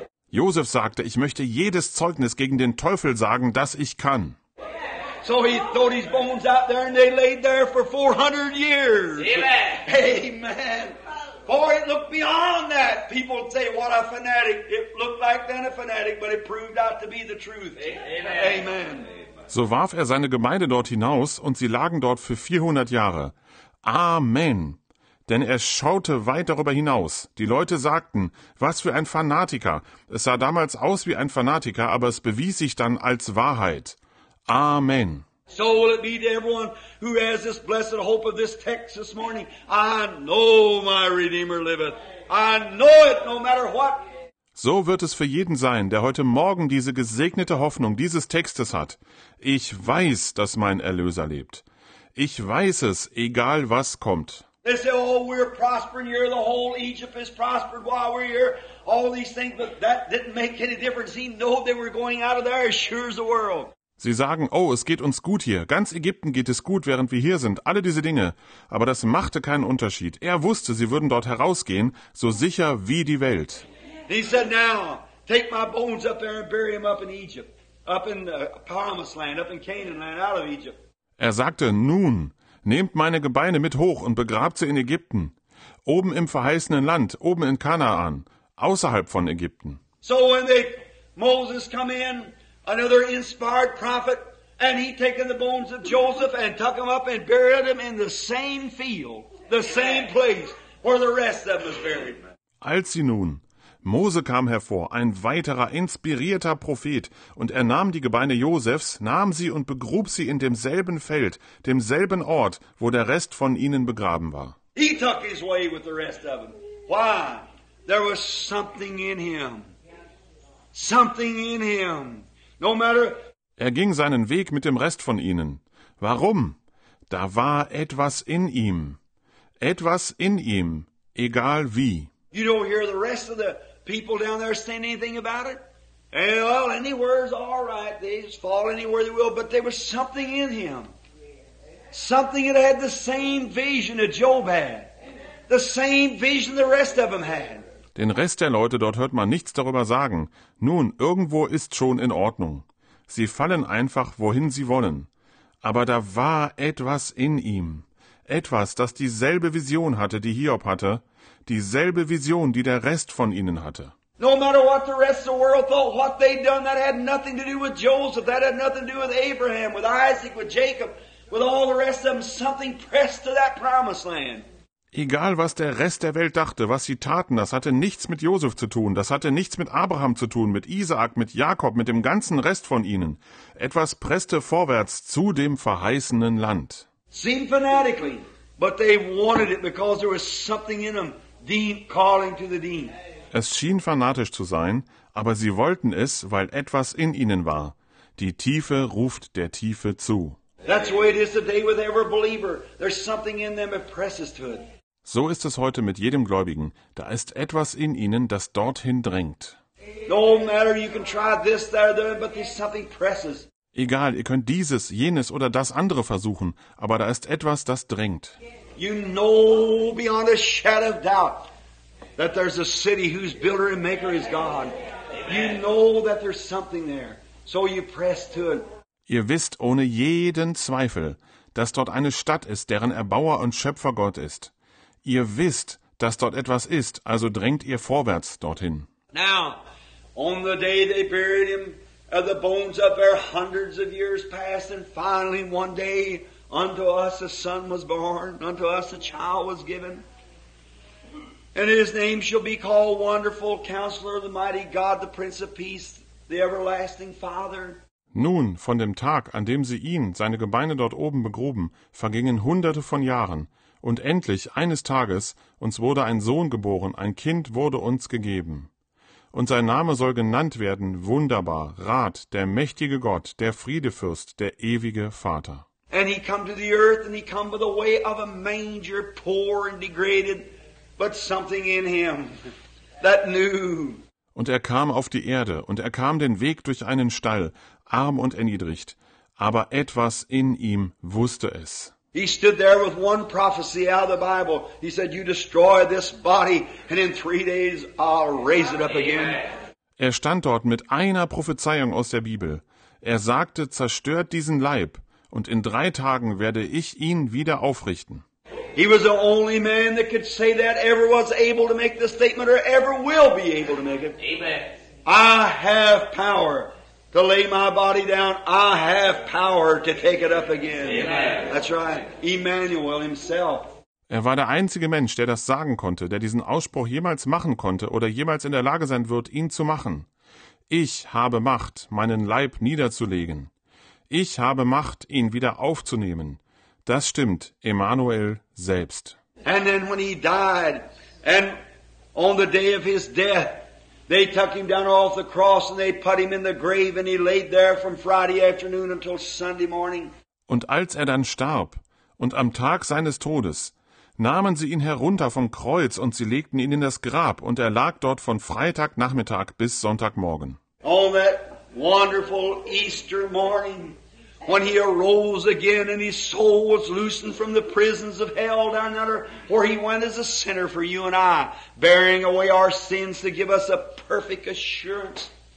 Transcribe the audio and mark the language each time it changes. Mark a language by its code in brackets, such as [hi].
[de] Josef sagte, ich möchte jedes Zeugnis gegen den Teufel sagen, das ich kann. [en] So he threw these bones out there and they laid there for 400 years. Amen. For it looked beyond that. People would say, what a fanatic. It looked like then a fanatic, but it proved out to be the truth. Amen. Amen. [de] So warf er seine Gemeinde dort hinaus und sie lagen dort für 400 Jahre. Amen. Denn er schaute weit darüber hinaus. Die Leute sagten, was für ein Fanatiker. Es sah damals aus wie ein Fanatiker, aber es bewies sich dann als Wahrheit. Amen. [en] So will it be to everyone who has this blessed hope of this text this morning. I know my Redeemer liveth. I know it no matter what. [de] So wird es für jeden sein, der heute Morgen diese gesegnete Hoffnung dieses Textes hat. Ich weiß, dass mein Erlöser lebt. Ich weiß es, egal was kommt. [en] They say, oh, we're prospering here. The whole Egypt is prospered while we're here. All these things, but that didn't make any difference. He knew they were going out of there as sure as the world. [de] Sie sagen, oh, es geht uns gut hier. Ganz Ägypten geht es gut, während wir hier sind. Alle diese Dinge. Aber das machte keinen Unterschied. Er wusste, sie würden dort herausgehen, so sicher wie die Welt. [en] He said, now, take my bones up there and bury them up in Egypt. Up in the promised land, up in Canaan land, out of Egypt. [de] Er sagte, nun, nehmt meine Gebeine mit hoch und begrabt sie in Ägypten. Oben im verheißenen Land, oben in Kanaan, außerhalb von Ägypten. [en] So when they, Moses come in, another inspired prophet, and he taken the bones of Joseph and tuck them up and buried them in the same field, the same place where the rest of them was buried. [de] Als sie nun, Mose kam hervor, ein weiterer inspirierter Prophet, und er nahm die Gebeine Josefs, nahm sie und begrub sie in demselben Feld, demselben Ort, wo der Rest von ihnen begraben war. [en] He took his way with the rest of them. Why? There was something in him. Something in him. No matter. [de] Er ging seinen Weg mit dem Rest von ihnen. Warum? Da war etwas in ihm. Etwas in ihm, egal wie. [en] You don't hear the rest of the people down there saying anything about it? Well, anywhere's all right. They just fall anywhere they will. But there was something in him. Something that had the same vision that Job had. The same vision the rest of them had. [de] Den Rest der Leute dort hört man nichts darüber sagen. Nun, irgendwo ist schon in Ordnung. Sie fallen einfach, wohin sie wollen. Aber da war etwas in ihm. Etwas, das dieselbe Vision hatte, die Hiob hatte. Dieselbe Vision, die der Rest von ihnen hatte. [en] No matter what the rest of the world thought, what they'd done, that had nothing to do with Joseph. That had nothing to do with Abraham, with Isaac, with Jacob, with all the rest of them. Something pressed to that promised land. [de] Egal, was der Rest der Welt dachte, was sie taten, das hatte nichts mit Josef zu tun, das hatte nichts mit Abraham zu tun, mit Isaak, mit Jakob, mit dem ganzen Rest von ihnen. Etwas presste vorwärts zu dem verheißenen Land. [en] Seemed fanatically, but they wanted it because there was something in them, deep calling to the deep. [de] Es schien fanatisch zu sein, aber sie wollten es, weil etwas in ihnen war. Die Tiefe ruft der Tiefe zu. [en] That's the way it is today with every believer. There's something in them that presses to it. [de] So ist es heute mit jedem Gläubigen. Da ist etwas in ihnen, das dorthin drängt. [en] No matter, you can try this, that, or that, but there's something presses. [de] Egal, ihr könnt dieses, jenes oder das andere versuchen, aber da ist etwas, das drängt. [en] You know beyond a shadow of doubt that there's a city whose builder and maker is God. You know that there's something there, so you press to it. [de] Ihr wisst ohne jeden Zweifel, dass dort eine Stadt ist, deren Erbauer und Schöpfer Gott ist. Ihr wisst, dass dort etwas ist, also drängt ihr vorwärts dorthin. [en] Now, on the day they buried him, the bones up there, hundreds of years passed, and finally one day, unto us a son was born, unto us a child was given. And his name shall be called Wonderful Counselor, the Mighty God, the Prince of Peace, the Everlasting Father. [de] Nun, von dem Tag, an dem sie ihn, seine Gebeine dort oben begruben, vergingen hunderte von Jahren. Und endlich, eines Tages, uns wurde ein Sohn geboren, ein Kind wurde uns gegeben. Und sein Name soll genannt werden, Wunderbar, Rat, der mächtige Gott, der Friedefürst, der ewige Vater. [en] And he come to the earth and he come by the way of a manger, poor and degraded, but something in him that knew. [de] Und er kam auf die Erde und er kam den Weg durch einen Stall, arm und erniedrigt, aber etwas in ihm wusste es. [en] He stood there with one prophecy out of the Bible. He said, you destroy this body and in 3 days I'll raise it up again. [de] Er stand dort mit einer Prophezeiung aus der Bibel. Er sagte, zerstört diesen Leib und in 3 Tagen werde ich ihn wieder aufrichten. [en] He was the only man that could say that ever was able to make the statement or ever will be able to make it. Amen. I have power to lay my body down, I have power to take it up again. Amen. That's right. Emmanuel himself. [de] Er war der einzige Mensch, der das sagen konnte, der diesen Ausspruch jemals machen konnte oder jemals in der Lage sein wird, ihn zu machen. Ich habe Macht, meinen Leib niederzulegen. Ich habe Macht, ihn wieder aufzunehmen. Das stimmt, Emmanuel selbst. [en] And then when he died, and on the day of his death, they took him down off the cross and they put him in the grave and he laid there from Friday afternoon until Sunday morning. [de] Und als er dann starb und am Tag seines Todes, nahmen sie ihn herunter vom Kreuz und sie legten ihn in das Grab und er lag dort von Freitagnachmittag bis Sonntagmorgen. [en] On that wonderful Easter morning, when he arose again and his soul was loosened from the prisons of hell down under, where he went as a sinner for you and I, bearing away our sins to give us a perfect assurance.